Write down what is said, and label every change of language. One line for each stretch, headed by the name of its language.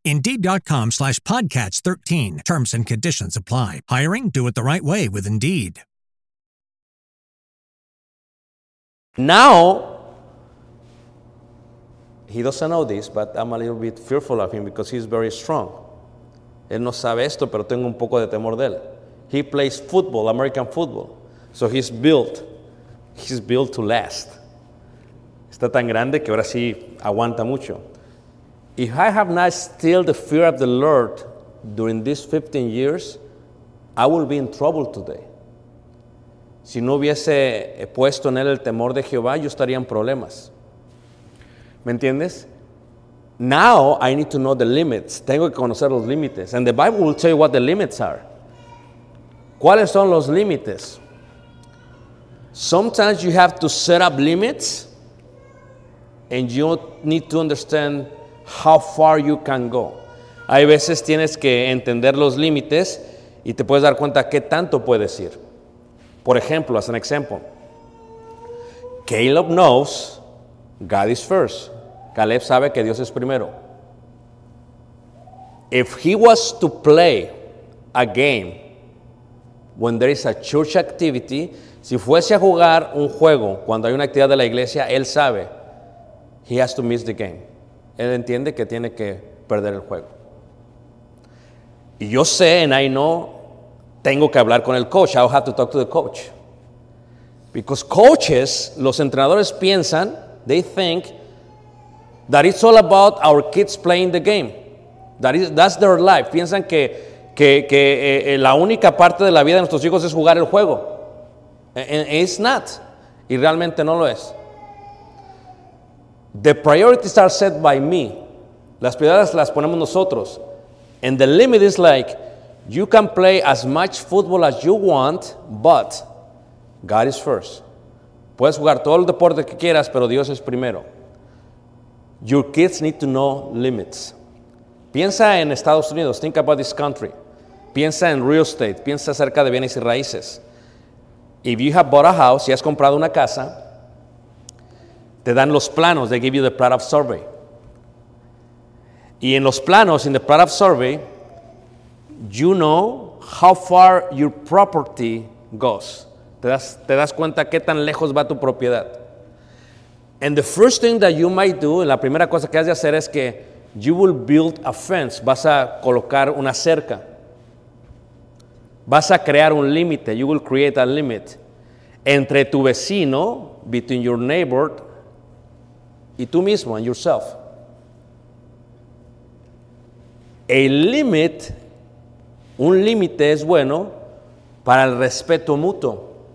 English: Indeed.com/podcast13. Terms and conditions apply. Hiring? Do it the right way with Indeed. Now, he doesn't know this, but I'm a little bit fearful of him because he's very strong.
Spanish: Él no sabe esto, pero tengo un poco de temor de él.
English: He plays football, American football. So he's built to last.
Spanish: Está tan grande que ahora sí aguanta mucho.
English: If I have not instilled the fear of the Lord during these 15 years, I will be in trouble today.
Spanish: Si no hubiese puesto en él el temor de Jehová, yo estaría en problemas. ¿Me entiendes?
English: Now I need to know the limits.
Spanish: Tengo que conocer los límites.
English: And the Bible will tell you what the limits are.
Spanish: ¿Cuáles son los límites?
English: Sometimes you have to set up limits. And you need to understand how far you can go.
Spanish: Hay veces tienes que entender los límites y te puedes dar cuenta qué tanto puedes ir. Por ejemplo,
English: as an example, Caleb knows God is first.
Spanish: Caleb sabe que Dios es primero.
English: If he was to play a game when there is a church activity,
Spanish: si fuese a jugar un juego cuando hay una actividad de la iglesia, él sabe,
English: he has to miss the game.
Spanish: Él entiende que tiene que perder el juego. Y yo sé,
English: and I know,
Spanish: tengo que hablar con el coach.
English: I'll have to talk to the coach. Because coaches,
Spanish: los entrenadores piensan,
English: they think that it's all about our kids playing the game. That's their life.
Spanish: Piensan que la única parte de la vida de nuestros hijos es jugar el juego.
English: And it's not.
Spanish: Y realmente no lo es.
English: The priorities are set by me.
Spanish: Las prioridades las ponemos nosotros.
English: And the limit is like, you can play as much football as you want, but God is first.
Spanish: Puedes jugar todo el deporte que quieras, pero Dios es primero.
English: Your kids need to know limits.
Spanish: Piensa en Estados Unidos.
English: Think about this country.
Spanish: Piensa en real estate. Piensa acerca de bienes y raíces.
English: If you have bought a house,
Spanish: si has comprado una casa, te dan los planos.
English: They give you the plot of survey.
Spanish: Y en los planos,
English: in the plot of survey, you know how far your property goes.
Spanish: Te das cuenta qué tan lejos va tu propiedad.
English: And the first thing that you might do,
Spanish: la primera cosa que has de hacer es que
English: you will build a fence.
Spanish: Vas a colocar una cerca. Vas a crear un límite.
English: You will create a limit.
Spanish: Entre tu vecino,
English: between your neighbor,
Spanish: y tú mismo,
English: and yourself.
Spanish: A limit, un límite es bueno para el respeto mutuo.